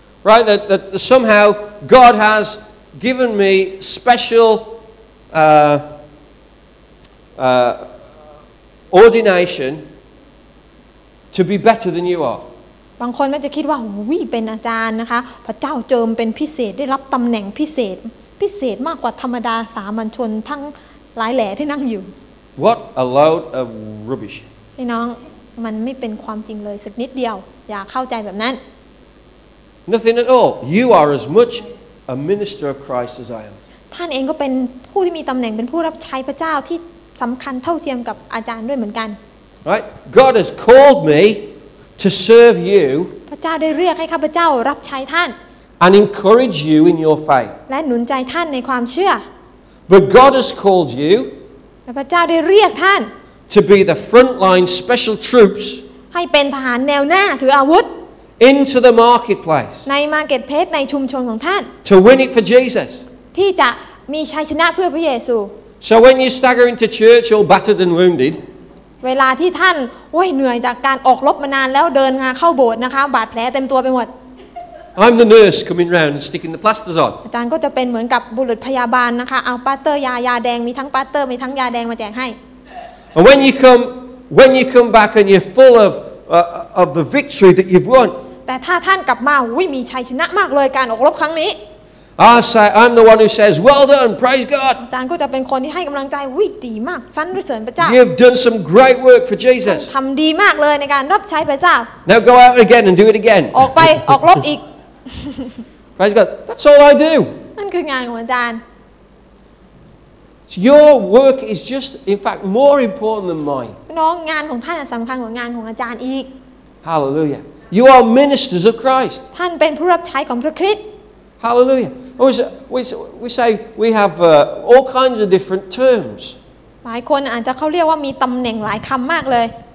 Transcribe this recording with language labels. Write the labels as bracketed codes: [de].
[en] Right that somehow God has given me special ordination to be better than you are [th] บางคนมันจะคิดว่าอุ๊ยเป็นอาจารย์นะคะพระเจ้าเจิมเป็นพิเศษได้รับตำแหน่งพิเศษมากกว่าธรรมดาสามัญชนทั้งหลายแหล่ที่นั่งอยู่ [en] What a load of rubbish [th] พี่น้องมันไม่เป็นความจริงเลยสักนิดเดียวอย่าเข้าใจแบบนั้น [en] Nothing at all you are as much a minister of Christ as I am [th] ท่านเองก็เป็นผู้ที่มีตำแหน่งเป็นผู้รับใช้พระเจ้าที่สำคัญเท่าเทียมกับอาจารย์ด้วยเหมือนกัน [en] Right God has called me to serve you [th] พระเจ้าได้เรียกให้ข้าพเจ้ารับใช้ท่าน [en] And encourage you in your faith. [th] และหนุนใจท่านในความเชื่อ [en] But God has called you. [th] และพระเจ้าได้เรียกท่าน [en] To be the front line special troops. [th] ให้เป็นทหารแนวหน้าถืออาวุธ [en] Into the marketplace. [th] ใน marketplace ในชุมชนของท่าน [en] To win it for Jesus. [th] ที่จะมีชัยชนะเพื่อพระเยซู [en] So when you stagger into church all battered and wounded. [th] เวลาที่ท่านโอ้ยเหนื่อยจากการออกรบมานานแล้วเดินมาเข้าโบสถ์นะคะบาดแผลเต็มตัวไปหมด [en] I'm the nurse coming round and sticking the plasters on. [th] อาจารย์ก็จะเป็นเหมือนกับบุรุษพยาบาลนะคะเอาปาเตอร์ยาแดงมีทั้งปาเตอร์มีทั้งยาแดงมาแจกให้ [en] And when you come back and you're full of the victory that you've won. [th] แต่ถ้าท่านกลับมาอุ้ยมีชัยชนะมากเลยการออกรบครั้งนี้ [en] I'll say I'm the one who says well done praise God [th] อาจารย์ก็จะเป็นคนที่ให้กำลังใจอุ้ยดีมากสรรเสริญพระเจ้า [en] You've done some great work for Jesus [th] ทำดีมากเลยในการรับใช้พระเจ้า [en] Now go out again and do it again [th] ออกไปออกรบอีก [en] Praise God That's all I do [th] นั่นคืองานของอาจารย์ [en] Your work is just, in fact, more important than mine. [th] น้องงานของท่านสำคัญกว่างานของอาจารย์อีก [en] Hallelujah. You are ministers of Christ. [th] ท่านเป็นผู้รับใช้ของพระคริสต์ [en] Hallelujah. We say we have all kinds of different terms. [th] หลายคนอาจจะเขาเรียกว่ามีตำแหน่งหลายคำมากเลย